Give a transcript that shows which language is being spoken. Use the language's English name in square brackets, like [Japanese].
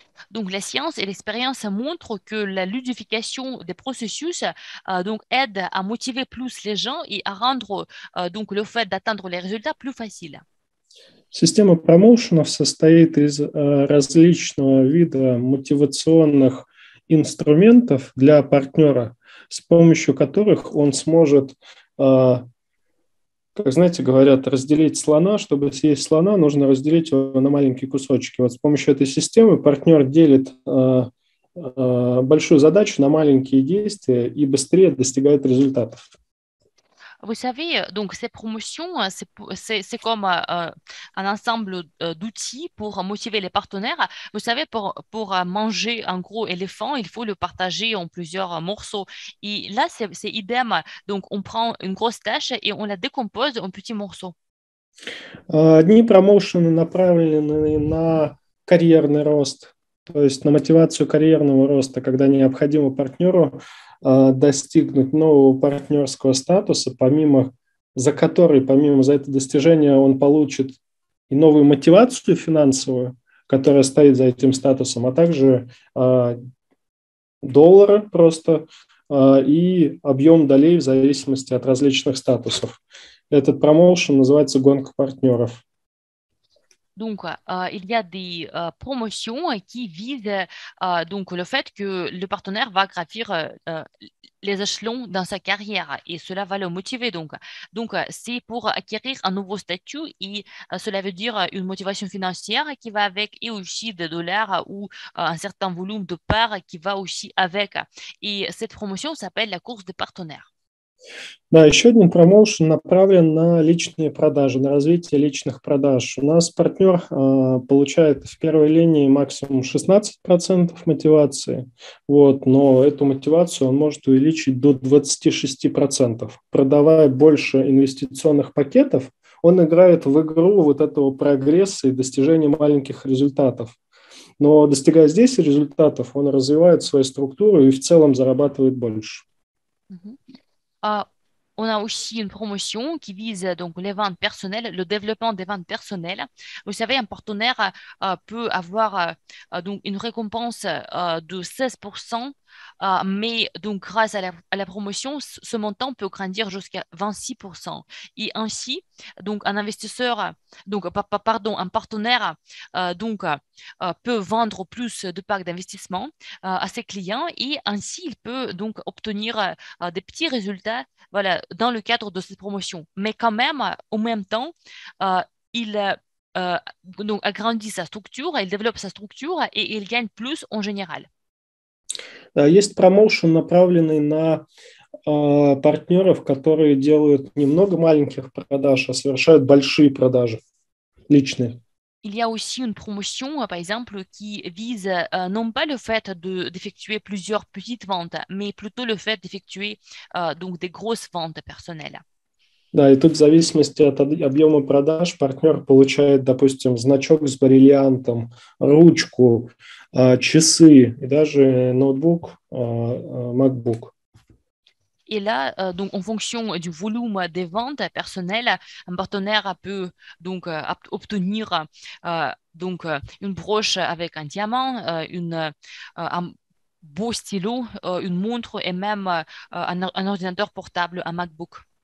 [French] Donc la science et l'expérience montrent que la ludification des processus donc aide à motiver plus les gens et à rendre donc le fait d'atteindre les résultats plus facile. [Russian] Система промоушенов состоит из различного вида мотивационных инструментов для партнера, с помощью которых он сможет, как знаете, говорят, разделить слона. Чтобы съесть слона, нужно разделить его на маленькие кусочки. Вот с помощью этой системы партнер делит большую задачу на маленькие действия и быстрее достигает результатов. [French] Vous savez, donc ces promotions, c'est comme un ensemble d'outils pour motiver les partenaires. Vous savez, pour manger un gros éléphant, il faut le partager en plusieurs morceaux. Et là, c'est idem. Donc, on prend une grosse tâche et on la décompose en petits morceaux. [Russian] Одни промоушены направлены на карьерный рост, то есть на мотивацию карьерного роста, когда необходимо партнеру достигнуть нового партнерского статуса, помимо за это достижение он получит и новую мотивацию финансовую, которая стоит за этим статусом, а также доллары просто и объем долей в зависимости от различных статусов. Этот промоушен называется «Гонка партнеров». [French] Donc, il y a des promotions qui visent donc le fait que le partenaire va gravir les échelons dans sa carrière et cela va le motiver. Donc, c'est pour acquérir un nouveau statut et cela veut dire une motivation financière qui va avec et aussi des dollars ou un certain volume de parts qui va aussi avec. Et cette promotion s'appelle la course des partenaires. [Russian] Да, еще один промоушен направлен на личные продажи, на развитие личных продаж. У нас партнер получает в первой линии максимум 16% мотивации, вот, но эту мотивацию он может увеличить до 26%. Продавая больше инвестиционных пакетов, он играет в игру вот этого прогресса и достижения маленьких результатов. Но достигая здесь результатов, он развивает свою структуру и в целом зарабатывает больше. [French] On a aussi une promotion qui vise donc les ventes personnelles, le développement des ventes personnelles. Vous savez, un partenaire peut avoir donc une récompense de 16%, mais donc grâce à la promotion, ce montant peut grandir jusqu'à 26%. Et ainsi, donc un investisseur, donc pardon, un partenaire donc peut vendre plus de packs d'investissement à ses clients et ainsi il peut donc obtenir des petits résultats. Voilà, dans le cadre de cette promotion. Mais quand même, au même temps, il donc agrandit sa structure, elle développe sa structure et elle gagne plus en général. [Russian] Есть промоушен, направленный на партнеров, которые делают немного маленьких продаж, а совершают большие продажи личные. [French] Il y a aussi une promotion, par exemple, qui vise non pas le fait d'effectuer plusieurs petites ventes, mais plutôt le fait d'effectuer donc des grosses ventes personnelles. [Russian] Да, и тут в зависимости от объема продаж партнер получает, допустим, значок с бриллиантом, ручку, часы и даже ноутбук, MacBook. [French] Et là, donc, en fonction du volume des ventes personnelles, un partenaire peut donc obtenir donc une broche avec un diamant, un beau stylo, une montre et même un ordinateur portable, un MacBook.